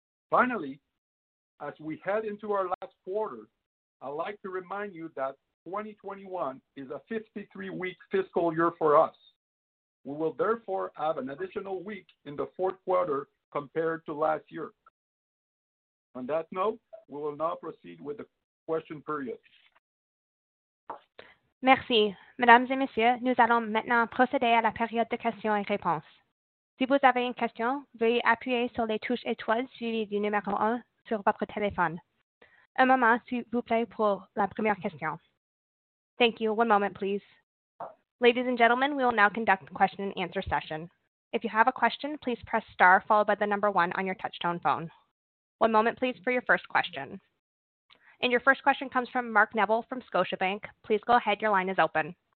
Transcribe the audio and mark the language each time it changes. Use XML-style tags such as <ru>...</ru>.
<en>Finally, as we head into our last quarter, I'd like to remind you that 2021 is a 53-week fiscal year for us. We will therefore have an additional week in the fourth quarter compared to last year. On that note, we will now proceed with the question period.</en> <fr>Merci. Mesdames et messieurs, nous allons maintenant procéder à la période de questions et réponses. Si vous avez une question, veuillez appuyer sur les touches étoiles suivies du numéro 1 sur votre téléphone. Un moment, s'il vous plaît, pour la première question.</fr> <en>Thank you. One moment, please. Ladies and gentlemen, we will now conduct the question and answer session. If you have a question, please press star followed by the number one on your touchtone phone. One moment, please, for your first question. And your first question comes from Mark Neville from Scotiabank. Please go ahead. Your line is open.</en>